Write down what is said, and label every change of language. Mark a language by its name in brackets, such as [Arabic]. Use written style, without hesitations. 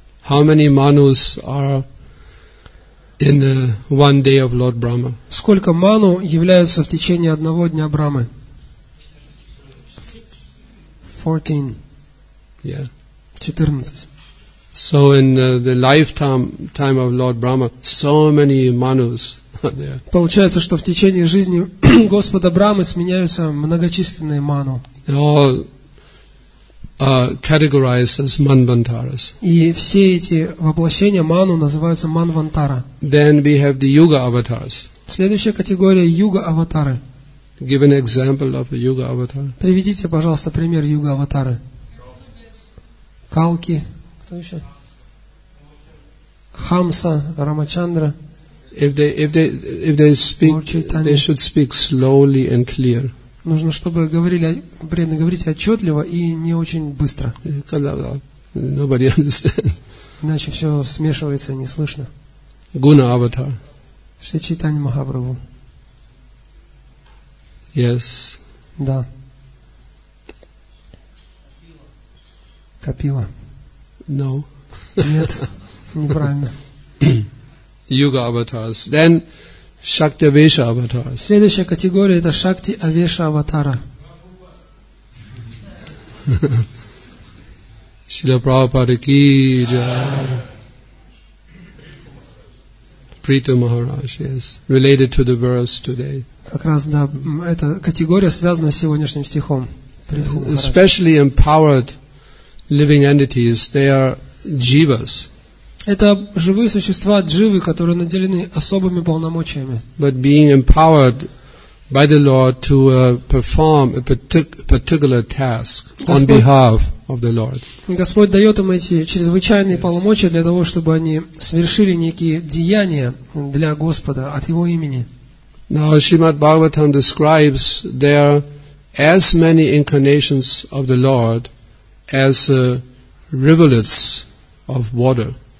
[English] How many manus are in the one day of Lord Brahma? [Russian] Сколько ману являются в течение одного дня Брамы? [English] 14. Yeah. 14. So in the lifetime time of Lord Brahma, so many manus are there. [Russian] Получается, что в течение жизни Господа Брамы сменяются многочисленные ману. [English] Categorized as manvantaras. [Russian] И все эти воплощения ману называются манвантара. [English] Then we have the yuga avatars. [Russian] Следующая категория юга аватары. [English] Give an example of a yuga avatar. [Russian] Приведите, пожалуйста, пример юга аватары. Калки. Кто еще? Хамса, Рамачандра. [English] If they speak, they should speak slowly and clear. [Russian] Нужно, чтобы говорили, преданно говорить отчетливо и не очень быстро. [English] Nobody understands. [Russian] Иначе все смешивается и не слышно. [English] Guna avatar. [Russian] Шри Чайтанья Махапрабху. [English] Yes. [Russian] Да. Капила. [English] No. [Russian] Нет, неправильно. [English] Yuga avatars. Then... Shakti Avesha Avatars. [Russian] Следующая категория это Шакти Авеша Аватара. Шрила Прабхупада Ки Джай. [English] Прита Махарадж, yes. Related to the verse today. [Russian] Как раз да, эта категория связана с сегодняшним стихом. [English] Especially empowered living entities, they are jivas. [Russian] Это живые существа, дживы, которые наделены особыми полномочиями. [English] But being empowered by the Lord to perform a particular task on behalf of the Lord. [Russian] Господь дает им эти чрезвычайные полномочия для того, чтобы они совершили некие деяния для Господа от Его имени. [English] Now Shrimad Bhagavatam describes there are as many incarnations of the Lord as rivulets of water.